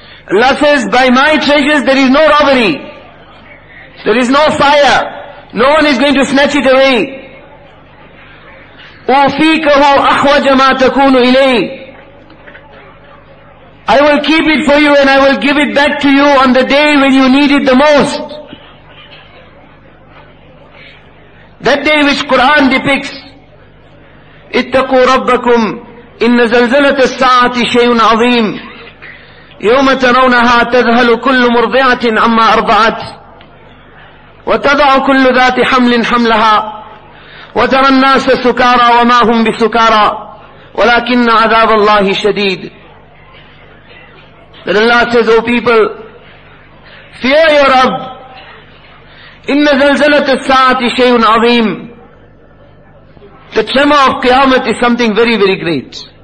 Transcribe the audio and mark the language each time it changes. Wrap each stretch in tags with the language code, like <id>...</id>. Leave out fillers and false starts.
<en>Allah says, by my treasures there is no robbery, there is no fire, no one is going to snatch it away.</en> <ar>أُوْفِيكَهُ أَخْوَجَ مَا تَكُونُ إِلَيْهِ.</ar> <en>I will keep it for you and I will give it back to you on the day when you need it the most. That day which Quran depicts,</en> <ar>اِتَّقُوا رَبَّكُمْ إِنَّ زَلْزَلَةَ السَّاعَةِ شَيْءٌ عَظِيمٌ يَوْمَ تَرَوْنَهَا تَذْهَلُ كُلُّ مُرْضِعَةٍ عَمَّا أَرْضَعَتْ وَتَضَعُ كُلُّ ذَاتِ حَمْلٍ حَمْلَهَا وَتَرَى النَّاسَ سُكَارَى وَمَا هُمْ بِسُكَارَى وَلَكِنَّ عَذَابَ اللَّهِ شَدِيدٌ.</ar> <en>That Allah says, O people, fear your Rabb.</en> <ar>إِنَّ زَلْزَلَةَ السَّاعَةِ شَيْءٌ عَظِيمٌ.</ar> <en>The tremor of Qiyamah is something very, very great.</en>